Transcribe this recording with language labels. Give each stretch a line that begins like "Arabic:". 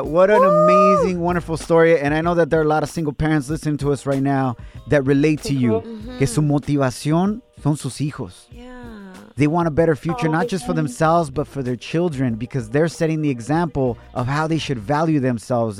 English: What an amazing, wonderful story. And I know that there are a lot of single parents listening to us right now that relate to you.
Spanish: Mm-hmm. Que su motivación son sus hijos.
English: Yeah. They want a better future, not just for themselves, but for their children, because they're setting the example of how they should value themselves.